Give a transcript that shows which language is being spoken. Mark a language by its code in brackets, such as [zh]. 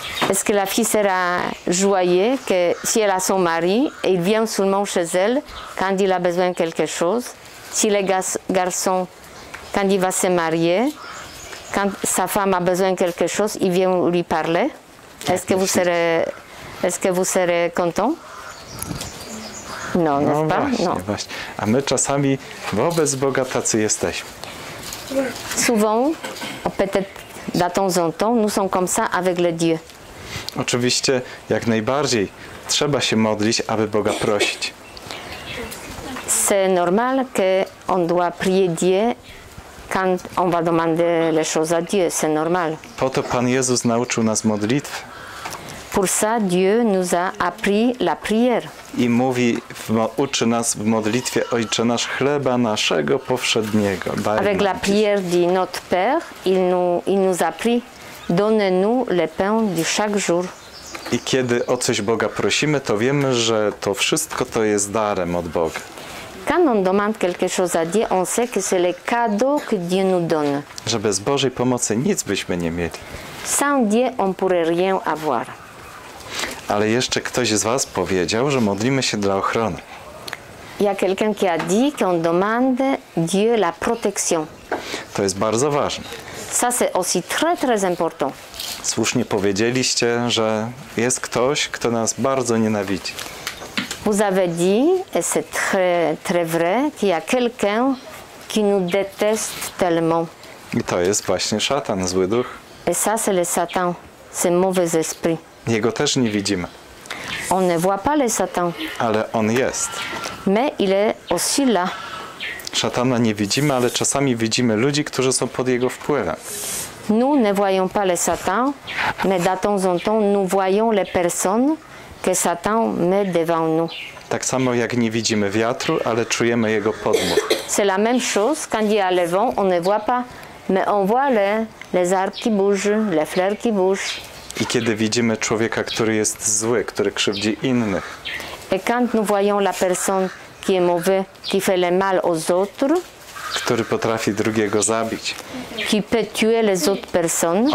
[fr] Est-ce que la fille sera joyeuse que si elle a son mari et il vient seulement chez elle quand il a besoin quelque chose? Si le garçon quand il va se marier, quand sa femme a besoin quelque chose, il vient lui parler? Est-ce que vous serez content? [pl] No, właśnie. A my czasami wobec Boga tacy jesteśmy. [fr] Souvent, peut-être de temps en temps, nous sommes comme ça avec le Dieu. [pl] Oczywiście, jak najbardziej trzeba się modlić, aby Boga prosić. [fr] C'est normal que on doit prier Dieu quand on va demander les choses à Dieu. C'est normal. [pl] Po to Pan Jezus nauczył nas modlitw. [fr] Pour ça, Dieu nous a appris la prière. [pl] I mówi, uczy nas w modlitwie Ojcze nasz chleba naszego powszedniego. [fr] Avec la prière de notre Père, il nous a appris, donne-nous le pain de chaque jour. [pl] I kiedy o coś Boga prosimy, to wiemy, że to wszystko to jest darem od Boga. [fr] Quand on demande quelque chose à Dieu, on sait que c'est le cadeau que Dieu nous donne. [pl] Że bez Bożej pomocy nic byśmy nie mieli. [fr] Sans Dieu, on pourrait rien avoir. [pl] Ale jeszcze ktoś z was powiedział, że modlimy się dla ochrony. [fr] Il y a quelqu'un qui a dit qu'on demande Dieu la protection. [pl] To jest bardzo ważne. [fr] Ça c'est aussi très très important. [pl] Słusznie powiedzieliście, że jest ktoś, kto nas bardzo nienawidzi. [fr] Vous avez dit, et c'est très très vrai, qu'il y a quelqu'un qui nous déteste tellement. [pl] I to jest właśnie szatan, zły duch. [fr] Et ça c'est le Satan, c'est mauvais esprit. [pl] Jego też nie widzimy. [fr] On ne voit pas le Satan. [pl] Ale on jest. [fr] Mais il est aussi là. [pl] Szatana nie widzimy, ale czasami widzimy ludzi, którzy są pod jego wpływem. [fr] Nous ne voyons pas le Satan, mais de temps en temps nous voyons les personnes que Satan met devant nous. [pl] Tak samo jak nie widzimy wiatru, ale czujemy jego podmuch. [fr] C'est la même chose quand il y a le vent, on ne voit pas, mais on voit les arbres qui bougent, les fleurs qui bougent. [pl] I kiedy widzimy człowieka, który jest zły, który krzywdzi innych. [fr] Et quand nous voyons la personne qui est mauvaise, qui fait le mal aux autres, [pl] który potrafi drugiego zabić, [fr] qui peut tuer les autres personnes,